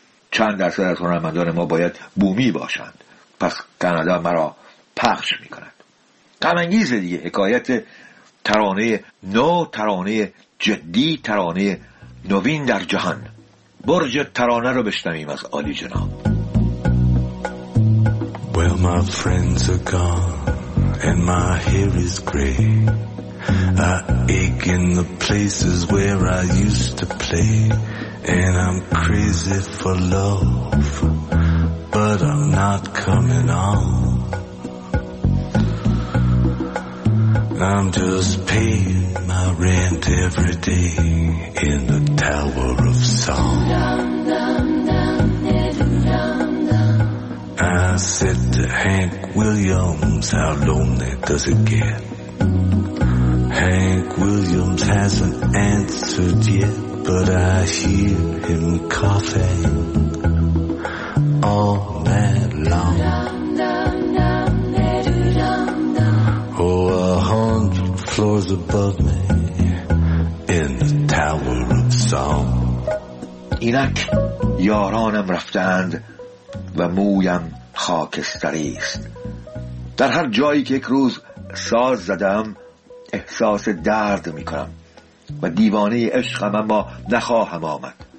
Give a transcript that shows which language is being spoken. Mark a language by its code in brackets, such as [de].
[fa] چند درصد از هنرمندان ما باید بومی باشند، پس کانادا مرا پخش میکند. غم‌انگیز دیگه حکایت ترانه نو، ترانه جدی، ترانه نوین در جهان. برج ترانه رو بشنویم از عالی جناب. [en] Well my friends are gone and my hair is gray. I ache in the places where I used to play. And I'm crazy for love, but I'm not coming home. I'm just paying my rent every day in the Tower of Song. I said to Hank Williams, how lonely does it get? Hank Williams hasn't answered yet, but I hear him coughing all night long. Oh, 100 floors above me in the Tower of Song. [fa] اینک یارانم رفتند و مویم خاکستری است. در هر جایی که یک روز ساز زدم احساس درد می کنم و دیوانه عشقم اما نخواهم آمد.